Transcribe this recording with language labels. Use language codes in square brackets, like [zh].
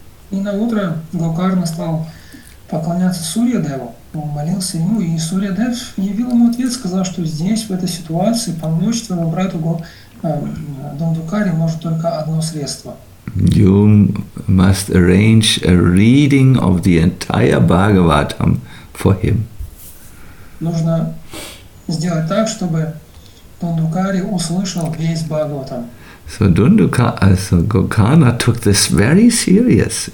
[ru] И на утро Гокарна стал поклоняться Сурьядеву. Он молился ему, и Сурьядев явил ему ответ, сказал, что здесь, в этой ситуации, помочь твоему брату Дундукари может только одно средство. [en] You must arrange a reading of the entire Bhagavatam for him. [ru] Нужно сделать так, чтобы Дундукари услышал весь Бхагаватам. [en] So Gokarna took this very serious.